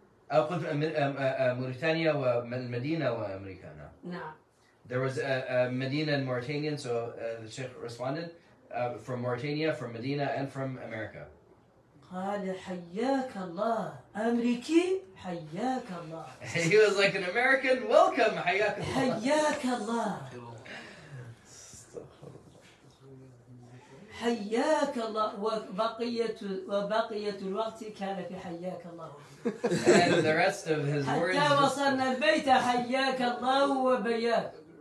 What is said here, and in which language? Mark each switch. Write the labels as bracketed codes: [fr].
[ar] أقول موريتانيا والمدينة وأمريكا نعم. [en] There was a Medina and Mauritanian, so the sheikh responded from Mauritania, from Medina, and from America. [ar] قال حياك الله أمريكي حياك الله. [en] He was like an American. Welcome, [ar] حياك الله. حياك الله. حياك الله وبقية الوقت كان في حياك الله. [en] And the rest of his words. [ar] حتى وصلنا البيت حياك الله وبياك.